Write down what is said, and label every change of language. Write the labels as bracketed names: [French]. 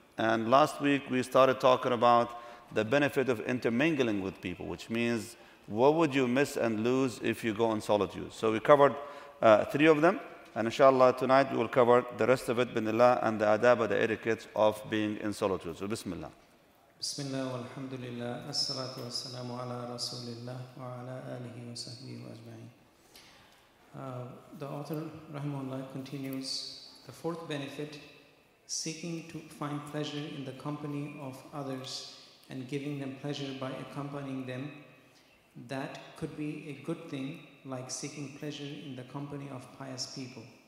[English] And last week we started talking about the benefit of intermingling with people, which means what would you miss and lose if you go in solitude. So we covered three of them. And inshallah, tonight we will cover the rest of it, binillah, and the adab, the etiquette of being in solitude. So bismillah. [Arabic] بسم الله والحمد لله الصلاة والسلام على رسول الله وعلى آله وصحبه أجمعين. [English] The author, rahimahullah, continues the fourth benefit: seeking to find pleasure in the company of others and giving them pleasure by accompanying them. That could be a good thing, like seeking pleasure in the company of pious people.